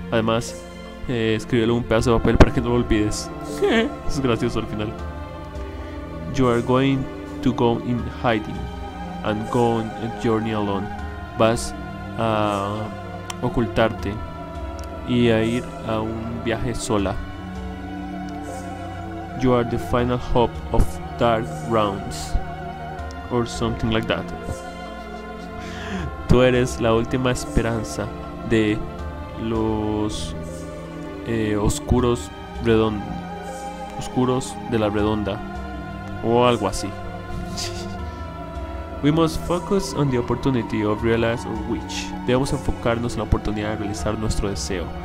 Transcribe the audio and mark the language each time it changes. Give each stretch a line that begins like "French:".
Spanish: Además, escríbelo en un pedazo de papel para que no lo olvides. Es gracioso al final.
English: You are going to go in hiding and go on a journey alone.
Spanish: Vas a ocultarte y a ir a un viaje sola.
English: You are the final hope of Dark Realms or something like that.
Spanish: Tú eres la última esperanza de los oscuros de la redonda. o algo así.
English: We must focus on the opportunity of realize our wish.
Spanish: Debemos enfocarnos en la oportunidad de realizar nuestro deseo.